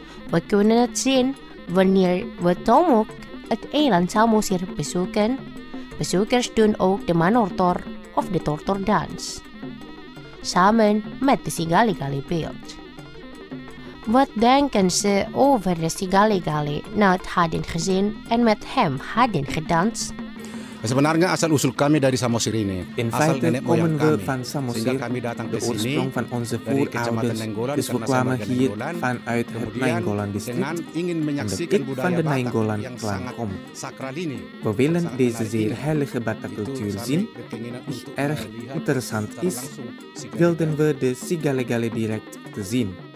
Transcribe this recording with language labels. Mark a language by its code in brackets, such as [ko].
[nl] We kunnen het zien wanneer we Tomok, het eiland Samosir, bezoeken. Bezoekers doen ook de Manortor of de Tortordans, samen met de Sigaligali beeld. Wat denken ze over de Sigaligali na het hadden gezien en met hem hadden gedanst? [id] Sebenarnya asal usul kami dari Samosir ini. [en] In fact, [nl] komen we van Samosir, de oorsprong van onze voorouders. Dus we kwamen hier vanuit het Nainggolan district, omdat ik van de Nainggolan clan kom. We willen deze zeer heilige Batak cultuur zien, die erg interessant is, wilden we de Sigaligali direct te zien.